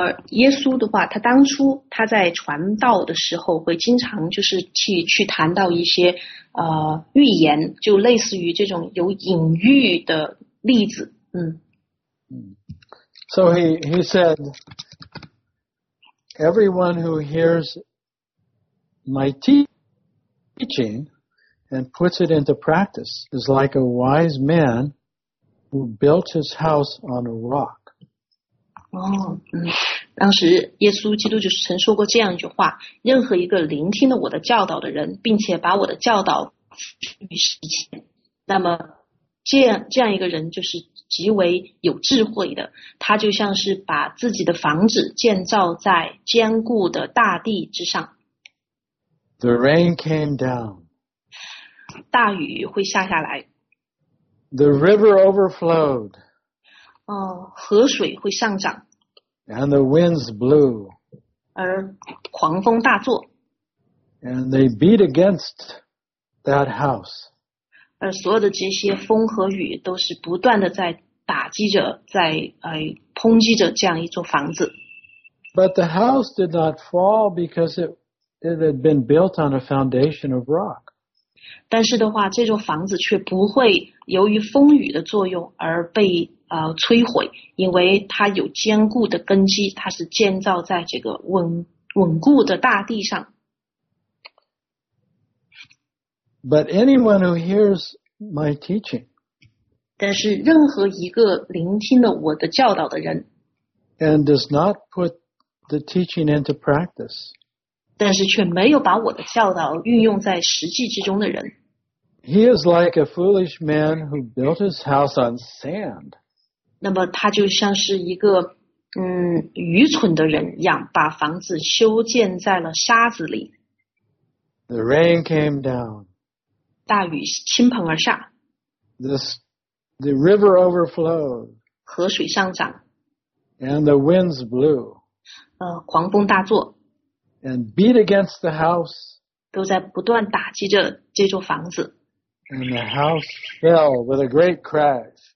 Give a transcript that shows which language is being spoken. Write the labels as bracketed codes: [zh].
[zh] 耶稣的话，他当初他在传道的时候会经常就是去谈到一些预言，就类似于这种有隐喻的例子。 [en] So he said, everyone who hears my teaching and puts it into practice is like a wise man who built his house on a rock. [zh] 当时耶稣基督就曾说过这样一句话，任何一个聆听了我的教导的人，并且把我的教导与实践，那么这样一个人就是极为有智慧的，他就像是把自己的房子建造在坚固的大地之上。 [en] The rain came down. [zh] 大雨会下下来。 [en] The river overflowed. [zh] 河水会上涨。 [en] And the winds blew. [zh] 而狂风大作。 [en] And they beat against that house. [zh] 而所有的这些风和雨都是不断的在打击着，在抨击着这样一座房子。 [en] But the house did not fall because it had been built on a foundation of rock. [zh] 但是的话，这座房子却不会由于风雨的作用而被摧毁，因为它有坚固的根基，它是建造在这个稳固的大地上。 [en] But anyone who hears my teaching, [zh] 但是任何一个聆听了我的教导的人 [en] and does not put the teaching into practice, [zh] 但是却没有把我的教导运用在实际之中的人 [en] he is like a foolish man who built his house on sand. [zh] 那么他就像是一个愚蠢的人一样，把房子修建在了沙子里。 [en] The rain came down. [zh] 大雨倾盆而下。 [en] The river overflowed. [zh] 河水上涨。 [en] And the winds blew. [zh] 狂风大作。 [en] And beat against the house. [zh] 都在不断打击着这座房子。 [en] And the house fell with a great crash.